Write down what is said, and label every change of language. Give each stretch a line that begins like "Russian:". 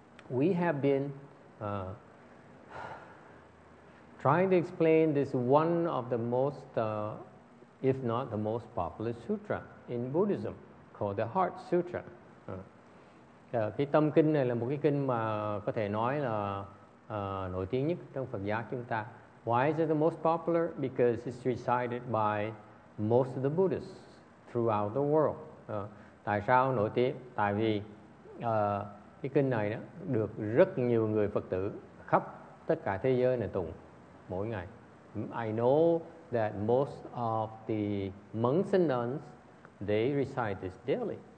English: We have been trying to explain this one of the most if not the most popular sutra in Buddhism called the Heart Sutra.
Vietnamese: Cái tâm kinh này là một cái kinh mà có thể nói là nổi tiếng nhất trong Phật giáo chúng ta.
English: Why is it the most popular? Because it's recited by most of the Buddhists throughout the world.
Vietnamese: Tại sao nổi tiếng? Tại vì cái kinh này đó được rất nhiều người Phật tử khắp tất cả thế giới này tụng mỗi ngày.
English: I know that most of the monks and nuns they recite this daily.